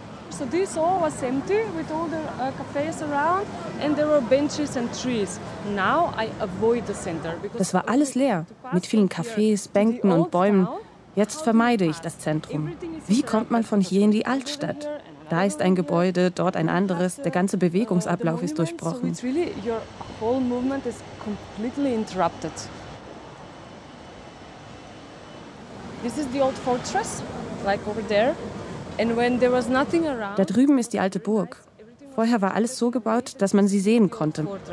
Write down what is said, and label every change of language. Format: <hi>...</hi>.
<en>So this all was empty with all the cafes around and there were benches and trees. Now I avoid the center because</en> <de>das war alles leer mit vielen Cafés, Bänken und Bäumen. Jetzt vermeide ich das Zentrum. Wie kommt man von hier in die Altstadt? Da ist ein Gebäude, dort ein anderes, der ganze Bewegungsablauf ist durchbrochen.</de> <en>So really your whole movement is completely interrupted. This is the old fortress like over there. And when there was nothing around,</en> <de>da drüben ist die alte Burg. Vorher war alles so gebaut, dass man sie sehen konnte.</de>